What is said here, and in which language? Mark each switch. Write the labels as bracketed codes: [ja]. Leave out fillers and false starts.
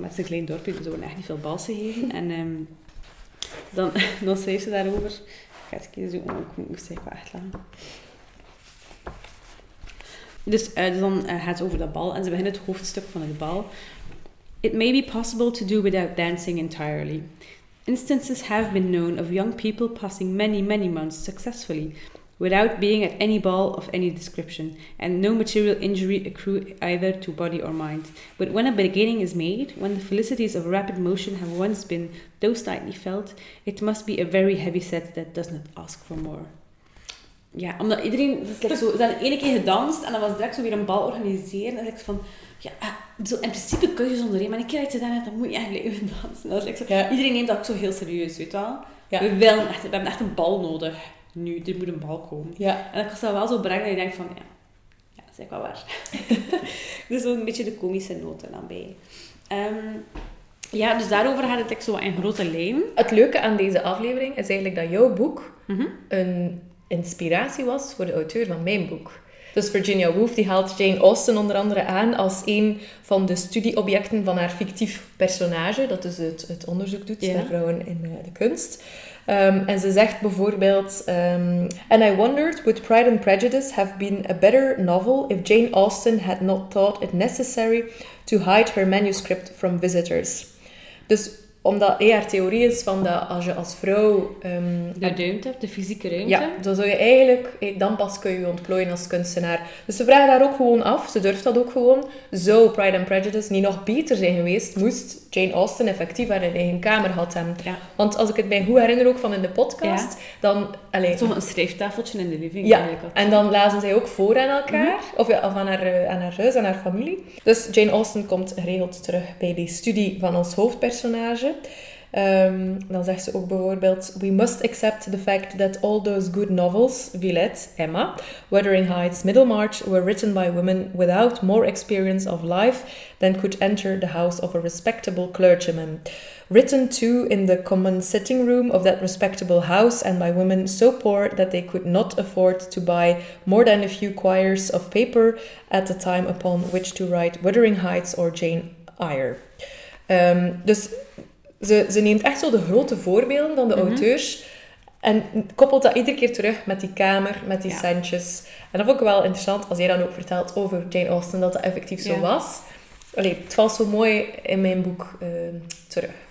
[nl] Met zijn klein dorpje, ze willen echt niet veel bals geven. En dan schrijft ze daarover. Ik ga het een keer zoeken, ik moest echt wel echt lachen. Dus dan gaat ze over dat bal en ze beginnen het hoofdstuk van het bal. [en] It may be possible to do without dancing entirely. Instances have been known of young people passing many, many months successfully without being at any ball of any description and no material injury accrue either to body or mind. But when a beginning is made, when the felicities of rapid motion have once been though slightly felt, it must be a very heavy set that does not ask for more. [nl] Ja, omdat iedereen... Zo, ze hadden één keer gedanst en dan was direct zo weer een bal organiseren. En ik van... Ja, zo, in principe kun je zonder één. Maar een keer dat je dan hebt, dan moet je eigenlijk even dansen. Dat zo, ja. Iedereen neemt dat ook zo heel serieus, weet je wel. Ja. We hebben echt een bal nodig. Nu, er moet een bal komen. Ja. En dat kost dat wel zo brengen dat je denkt van... Ja, ja, dat is eigenlijk wel waar. Dus zo een beetje de komische noten dan bij. Ja, dus daarover had het ik zo in grote lijn. Het leuke aan deze aflevering is eigenlijk dat jouw boek een inspiratie was voor de auteur van mijn boek. Dus Virginia Woolf die haalt Jane Austen onder andere aan als een van de studieobjecten van haar fictief personage. Dat dus het onderzoek doet naar vrouwen in de kunst. En ze zegt bijvoorbeeld... [en] And I wondered, would Pride and Prejudice have been a better novel if Jane Austen had not thought it necessary to hide her manuscript from visitors? [nl] Dus omdat haar theorie is van dat als je als vrouw... de ruimte hebt, de fysieke ruimte. Ja, dan zou je eigenlijk... Dan pas kun je je ontplooien als kunstenaar. Dus ze vraagt daar ook gewoon af. Ze durft dat ook gewoon. Zou Pride and Prejudice niet nog beter zijn geweest, moest Jane Austen effectief haar in eigen kamer had hem. Ja. Want als ik het mij goed herinner ook van in de podcast, dan... Een schrijftafeltje in de living. Ja, en dan lazen zij ook voor aan elkaar. Mm-hmm. Of ja, van aan haar huis, aan haar familie. Dus Jane Austen komt geregeld terug bij die studie van ons hoofdpersonage. Dan zegt ze ook bijvoorbeeld... [en] We must accept the fact that all those good novels, Villette, Emma, Wuthering Heights, Middlemarch, were written by women without more experience of life than could enter the house of a respectable clergyman. Written too in the common sitting room of that respectable house and by women so poor that they could not afford to buy more than a few quires of paper at the time upon which to write Wuthering Heights or Jane Eyre. [nl] Dus... Ze neemt echt zo de grote voorbeelden van de auteurs en koppelt dat iedere keer terug met die kamer, met die centjes. En dat vond ik wel interessant als jij dan ook vertelt over Jane Austen, dat dat effectief zo was. Allee, het valt zo mooi in mijn boek terug.